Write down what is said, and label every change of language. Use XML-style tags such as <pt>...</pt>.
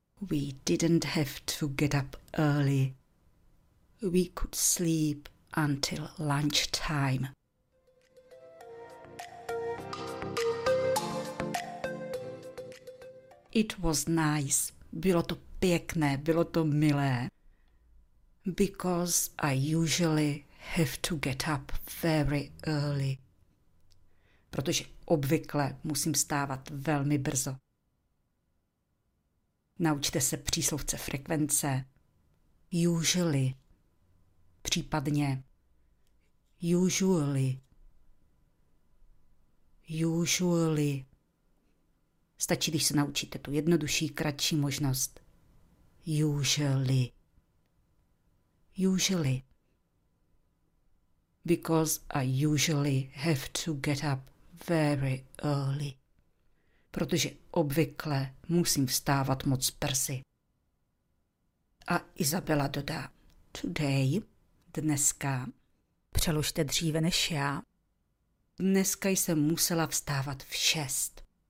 <en>We didn't have to get up early. We could sleep until lunch time. It was nice.</en> <cs>Bylo to pěkné, bylo to milé.</cs> <en>Because I usually have to get up very early.</en> <cs>Protože obvykle musím vstávat velmi brzo. Naučte se příslovce frekvence.</cs> <en>Usually.</en> <cs>Případně.</cs> <en>Usually. Usually.</en> <cs>Stačí, když se naučíte tu jednodušší, kratší možnost.</cs> <en>Usually. Usually. Because I usually have to get up very early.</en> <cs>Protože obvykle musím vstávat moc brzy. A Izabela dodá.</cs> <en>Today,</en> <cs>dneska. Přeložte dříve než já. Dneska jsem musela vstávat v 6.</cs>